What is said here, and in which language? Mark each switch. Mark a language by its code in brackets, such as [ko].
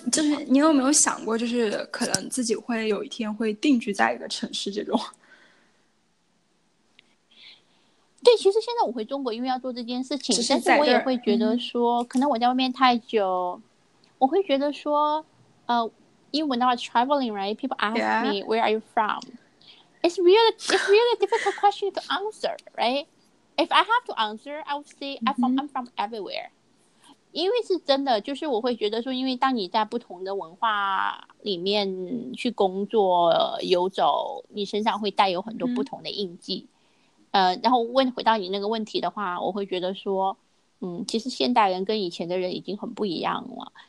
[zh] 那就是你有没有想过就是可能自己会有一天会定居在一个城市这种？对，其实现在我回中国因为要做这件事情，但是我也会觉得说可能我在外面太久，我会觉得说因为 [en] when I was traveling, right, people ask yeah. me, where are you from? It's really a difficult question to answer, right? If I have to answer, I would say I'm from everywhere. [zh] 因为是真的，就是我会觉得说，因为当你在不同的文化里面去工作、游走，你身上会带有很多不同的印记。然后回到你那个问题的话，我会觉得说，其实现代人跟以前的人已经很不一样了。